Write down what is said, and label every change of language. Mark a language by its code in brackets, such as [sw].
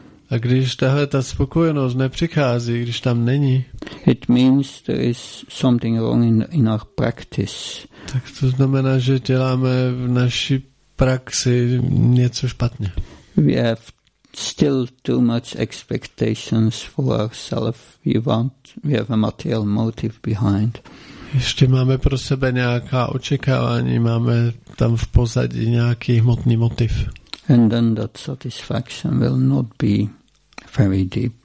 [cs] A když tahle ta spokojenost nepřichází, když tam není, [en] it means there is something wrong in our practice. [cs] Tak to znamená, že děláme v naší praxi něco špatně. [en] We have still too much expectations for ourselves. We have a material motive behind. [cs] Ještě máme pro sebe nějaká očekávání, máme tam v pozadí nějaký hmotný motiv. [en] And then that satisfaction will not be very deep.